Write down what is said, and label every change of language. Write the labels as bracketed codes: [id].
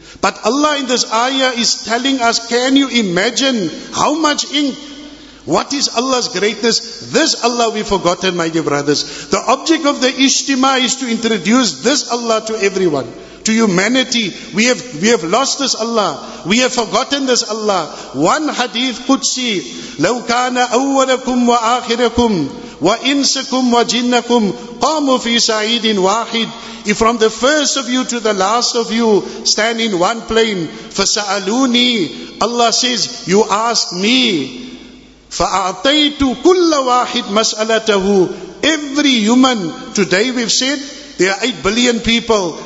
[en] But Allah in this ayah is telling us, can you imagine how much ink? What is Allah's greatness? This Allah we've forgotten, my dear brothers. The object of the ijtima is to introduce this Allah to everyone, to humanity. We have lost this Allah. We have forgotten this Allah. One hadith Qudsi, [ar] لو كان أولكم وآخركم وإنسكم وجنكم قاموا في سعيد واحد. [en] If from the first of you to the last of you stand in one plane, [ar] فسألوني, [en] Allah says, you ask me. [ar] فأعطيت كل واحد مسألته. [en] Every human, today we've said, there are 8 billion people.